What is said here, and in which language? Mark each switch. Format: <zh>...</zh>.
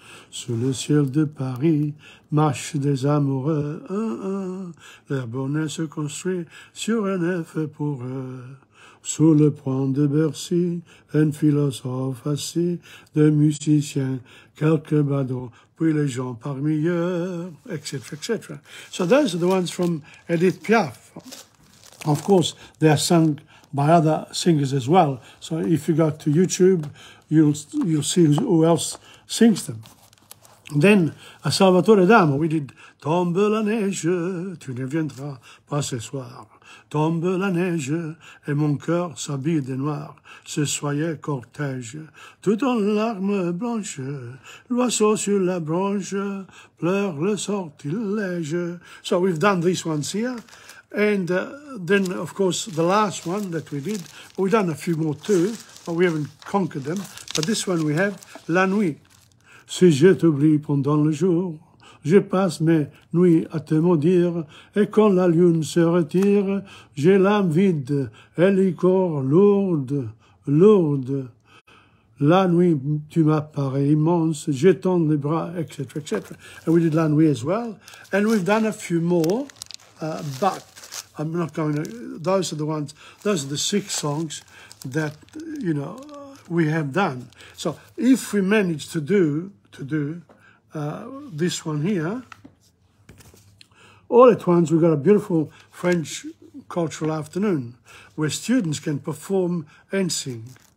<fr>Sous le ciel de Paris marchent des amoureux. Leur bonheur se construit sur un œuf pour eux. Sous le pont de Bercy, un philosophe assis, deux musiciens, quelques badauds, puis les gens parmi eux, etc., etc.</fr> <en>So those are the ones from Edith Piaf. Of course, they are sung by other singers as well. So if you go to YouTube, you'll see who else sings them. Then,</en> <fr>à Salvatore Adamo,</fr> <en>we did</en> <fr>Tombe la neige, tu ne viendras pas ce soir. Tombe la neige et mon cœur s'habille de noir. Ce soyeux cortège, tout en larmes blanches, l'oiseau sur la branche pleure le sortilège.</fr> <en>So we've done these ones here. And then, of course, the last one that we did, we've done a few more too, but we haven't conquered them. But this one we have, La Nuit.</en> <fr>Si je t'oublie pendant le jour, je passe mes nuits à te maudire, et quand la lune se retire, j'ai l'âme vide et le corps lourde, lourde. La nuit, tu m'apparais immense, j'étends les bras, etc., etc.</fr> <en>And we did La Nuit as well. And we've done a few more, but I'm not going to, those are the ones, those are the six songs that, you know, we have done. So if we manage to do, this one here, all at once we've got a beautiful French cultural afternoon where students can perform and sing.</en>